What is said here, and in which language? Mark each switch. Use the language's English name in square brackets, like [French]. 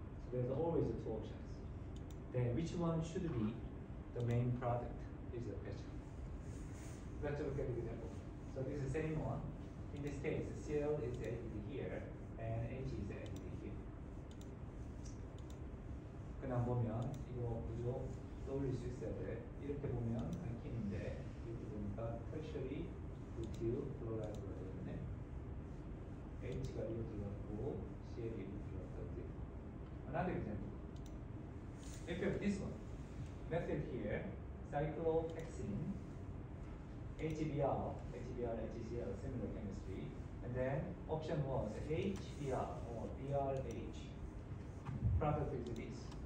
[English] So there's always two options. Then which one should be the main product is the question. Let's look at the example. So this is the same one. In this case, Cl is added here and H is added here. [Korean] 그냥 보면 이거 구조 떠올릴 수 있어야 돼. 이렇게 보면 알킨인데 이렇게 보니까 tertiary butyl chloride 가 되겠네. H가 이렇게 들어갔고 Cl이 이렇게 들어갔다. [English] Another example. If you have this one, method here, cyclohexene, HBr, HBr, HCl, similar chemistry. And then option was HBr or BrH. Product is this.